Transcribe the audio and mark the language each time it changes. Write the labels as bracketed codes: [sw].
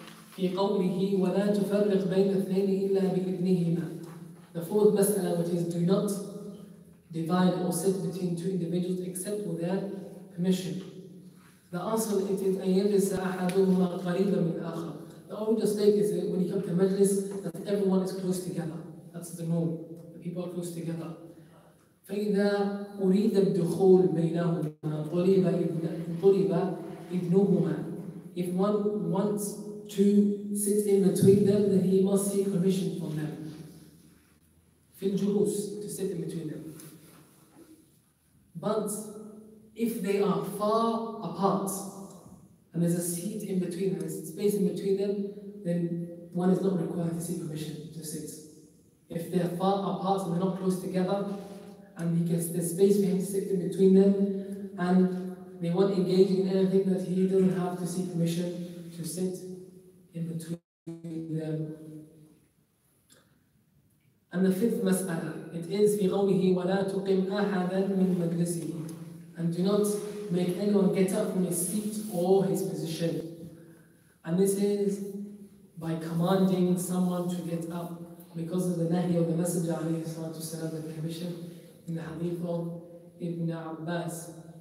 [ar] في قوله ولا تفرق بين اثنين إلا بإذنهما. [en] The fourth mas'ala, which is do not divide or sit between two individuals except with their permission. The answer it is [ar] أن يجلس أحدهما قريبا من الآخر. [en] The order state is that when you come to majlis that everyone is close together. That's the norm. The people are close together. [ar] فإذا أريد الدخول بينهما طلب إذنهما. [en] If one wants to sit in between them, then he must seek permission from them. [ar] Fil julus, [en] to sit in between them. But if they are far apart and there's a seat in between them, there's a space in between them, then one is not required to seek permission to sit. If they're far apart and they're not close together, and he gets the space for him to sit in between them, and they won't engage in anything that he doesn't have to seek permission to sit in between them. And the fifth mas'ala, it is [ar] في قوله ولا تقم أحدا من مجلسه. [en] And do not make anyone get up from his seat or his position. And this is by commanding someone to get up because of the nahi of the Messenger alayhi salatu wasalam, the permission in the hadith of Ibn Abbas.